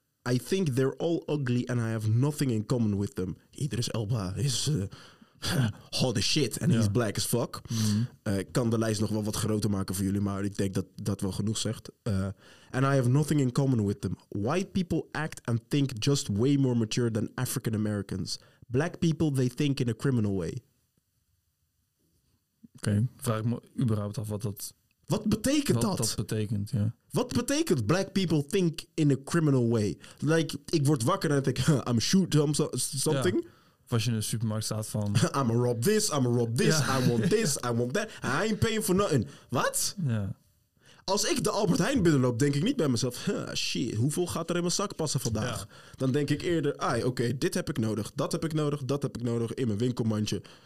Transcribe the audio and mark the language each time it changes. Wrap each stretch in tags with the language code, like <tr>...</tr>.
<en>I think they're all ugly and I have nothing in common with them. Idris Elba is hot as shit and he's black as fuck. Mm-hmm.</en> <nl>Ik kan de lijst nog wel wat groter maken voor jullie, maar ik denk dat dat wel genoeg zegt.</nl> <en>And I have nothing in common with them. White people act and think just way more mature than African Americans. Black people, they think in a criminal way.</en> <nl>Okay. Vraag ik me überhaupt af wat dat... wat betekent dat? Wat betekent, ja. Wat betekent</nl> <en>black people think in a criminal way? Like,</en> <nl>ik word wakker en ik</nl> <en>I'm shoot something.</en> <nl>Ja. Als je in een supermarkt staat van...</nl> <en>I'm a rob this, ja. I want this, I want that. I ain't paying for nothing. Wat?</en> <nl>Ja. Als ik de Albert Heijn binnenloop, denk ik niet bij mezelf... shit, hoeveel gaat er in mijn zak passen vandaag? Ja. Dan denk ik eerder, oké, dit heb ik nodig, dat heb ik nodig, dat heb ik nodig in mijn winkelmandje.</nl>